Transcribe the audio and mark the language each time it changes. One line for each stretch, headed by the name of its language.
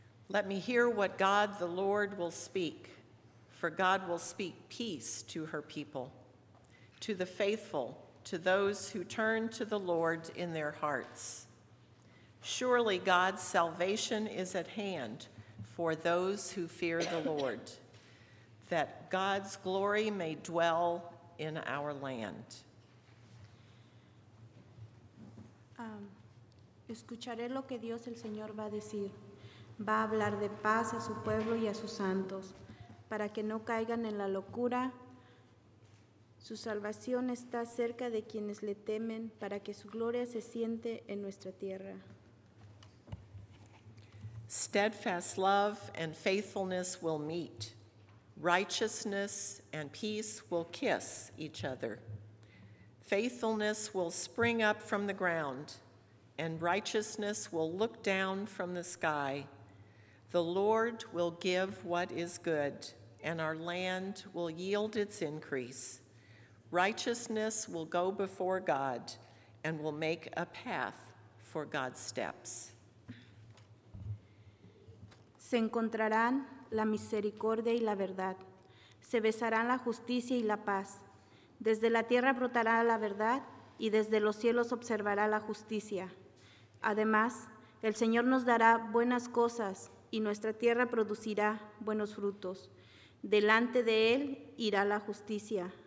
English: Let me hear what God the Lord will speak, for God will speak peace to her people, to the faithful, to those who turn to the Lord in their hearts. Surely God's salvation is at hand for those who fear the Lord, that God's glory may dwell in our land.
Spanish: Escucharé lo que Dios el Señor va a decir. Va a hablar de paz a su pueblo y a sus santos, para que no caigan en la locura. Su salvación está cerca de quienes le temen, para que su gloria se siente en nuestra tierra.
English: Steadfast love and faithfulness will meet. Righteousness and peace will kiss each other. Faithfulness will spring up from the ground, and righteousness will look down from the sky. The Lord will give what is good, and our land will yield its increase. Righteousness will go before God and will make a path for God's steps.
Spanish: Se encontrarán la misericordia y la verdad. Se besarán la justicia y la paz. Desde la tierra brotará la verdad y desde los cielos observará la justicia. Además, el Señor nos dará buenas cosas y nuestra tierra producirá buenos frutos. Delante de Él irá la justicia,